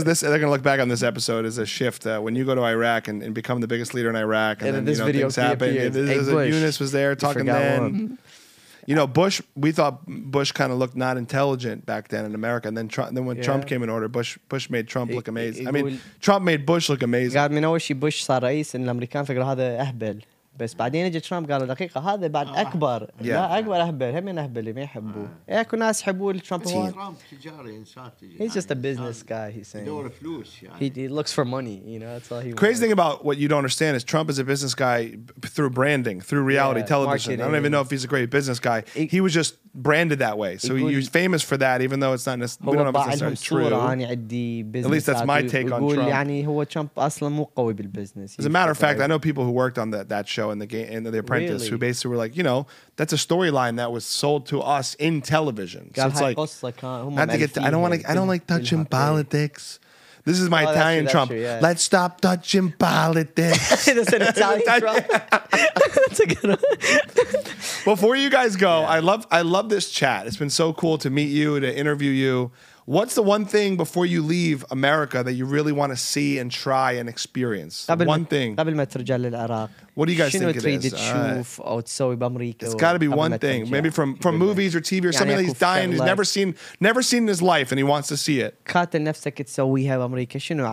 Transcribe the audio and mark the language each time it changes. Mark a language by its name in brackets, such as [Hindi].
[English] Is this, they're going to look back on this episode as a shift. When you go to Iraq and become the biggest leader in Iraq, and then this, you know, video things happen. Younis was there talking then. You know, Bush, we thought Bush kind of looked not intelligent back then in America. And then Trump came in order, Bush made Trump look amazing. Trump made Bush look amazing. [Arabic] قاعد من أول شيء بوش صار رئيس إن الأمريكان فكروا هذا أهبل. بس بعدين إجى ترامب قال دقيقة هذا بعد أكبر. لا أكبر أهبل. هم أهبل اللي ما يحبوه. أكو ناس يحبوه لترامب. ترامب تجاري إنسان تجاري. [English] He's just a business guy, he's saying. [Arabic] يدور فلوس يعني. [English] He looks for money, you know, that's all he wants. Crazy thing about what you don't understand is Trump is a business guy through branding, through reality television. Marketing. I don't even know if he's a great business guy. He was just branded that way. So he's famous for that, even though it's not necessarily true. At least that's my take on Trump. As a matter of fact, I know people who worked on that show in the game and The Apprentice, really? Who basically were like, you know, that's a storyline that was sold to us in television. So it's like, I don't like touching politics. This is my Italian Trump. Let's stop touching politics. That's an Italian Trump. That's a good one. Before you guys go, I love this chat. It's been so cool to meet you, to interview you. What's the one thing before you leave America that you really want to see and try and experience? One thing. [Arabic] قبل ما ترجع للعراق. [English] What do you guys think it is? [Arabic] شنو تريد تشوف أو تسوي بأمريكا؟ [English] It's got to be one thing. Maybe from movies or TV or something that he's dying. He's never seen in his life and he wants to see it. [Arabic] قاتل نفسك تسويها بأمريكا شنو؟